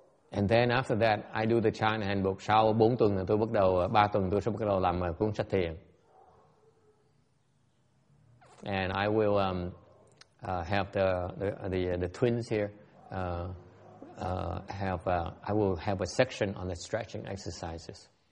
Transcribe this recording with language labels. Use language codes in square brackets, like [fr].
[en] And then after that, I do the China handbook. [vi] Sau 4 tuần tôi bắt đầu, 3 tuần tôi sẽ bắt đầu làm cuốn sách thiền. [en] And I will have the twins here I will have a section on the stretching exercises.